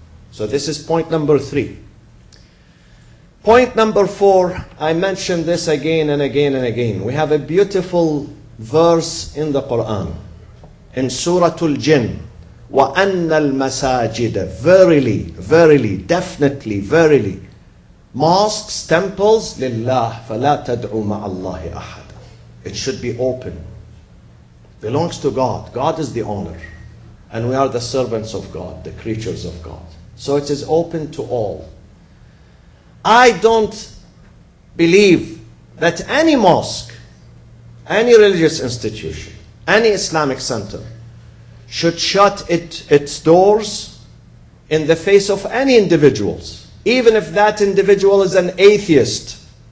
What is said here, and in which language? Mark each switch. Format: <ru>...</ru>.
<en>So this is point number 3. Point number 4, I mentioned this again and again and again. We have a beautiful verse in the Quran, in Surah Al-Jinn.</en> <ar>وَأَنَّ الْمَسَاجِدَ</ar> <en>Verily, verily, definitely, verily. Mosques, temples,</en> <ar>لِلَّهِ فَلَا تَدْعُوا مَعَ اللَّهِ أَحَدًا.</ar> <en>It should be open. Belongs to God. God is the owner. And we are the servants of God, the creatures of God. So it is open to all. I don't believe that any mosque, any religious institution, any Islamic center should shut its doors in the face of any individuals, even if that individual is an atheist.</en>